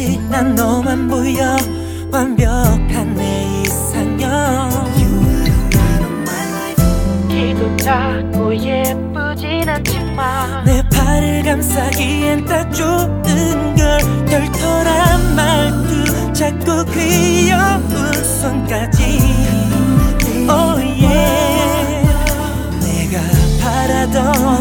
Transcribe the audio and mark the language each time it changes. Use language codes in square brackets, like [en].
[ko] 난 너만 보여 완벽한 내 이상형. [en] You are the light of my life. [ko] 키도 작고 예쁘진 않지만 내 팔을 감싸기엔 딱 좋은 걸. 털털한 말투 작고 귀여운 손까지. [en] Oh yeah. [ko] 내가 바라던